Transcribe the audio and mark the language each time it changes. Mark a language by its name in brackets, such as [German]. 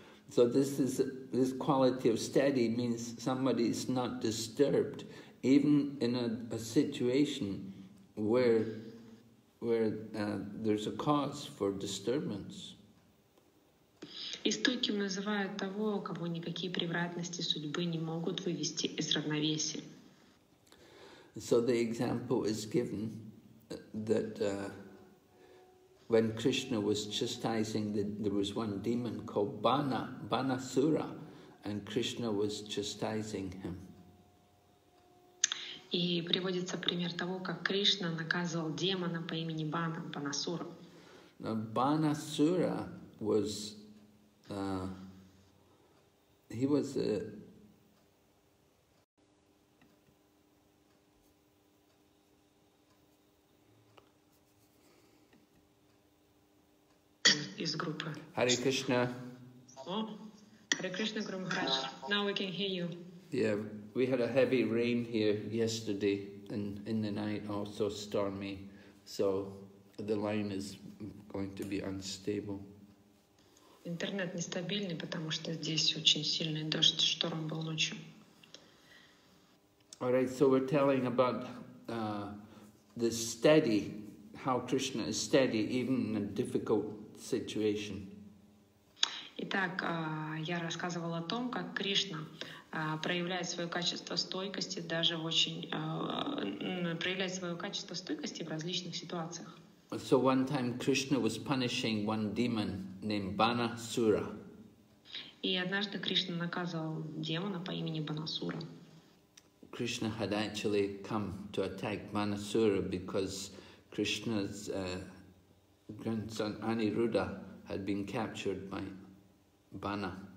[English] So this quality of steady means somebody is not disturbed, even in a situation where there's a cause for disturbance. [Russian] И стойким называют того, кого никакие превратности судьбы не могут вывести из равновесия. [English] So the example is given that when Krishna was chastising, there was one demon called Bana, Banasura, and Krishna was chastising him. [Russian] И приводится пример того, как Кришна наказывал демона по имени Бана, Банасура. [English] Now, Banasura was, he was a, [Russian] из группы. [English] Hare Krishna. Oh, Hare Krishna Guru Maharaj. Now we can hear you. Yeah, we had a heavy rain here yesterday and in the night also stormy. So the line is going to be unstable. [Russian] Интернет нестабильный, потому что здесь очень сильный дождь, шторм был ночью. [English] All right, so we're telling about the steady, how Krishna is steady even in a difficult situation. [Russian] Итак, я рассказывала о том, как Кришна проявляет свое качество стойкости даже в очень проявляет свое качество стойкости в различных ситуациях. [English] So one time Krishna was punishing one demon named Banasura. [Russian] И однажды Кришна наказывал демона по имени Банасура. [English] Krishna had actually come to attack Banasura because Krishna's grandson Aniruddha had been captured by Bana.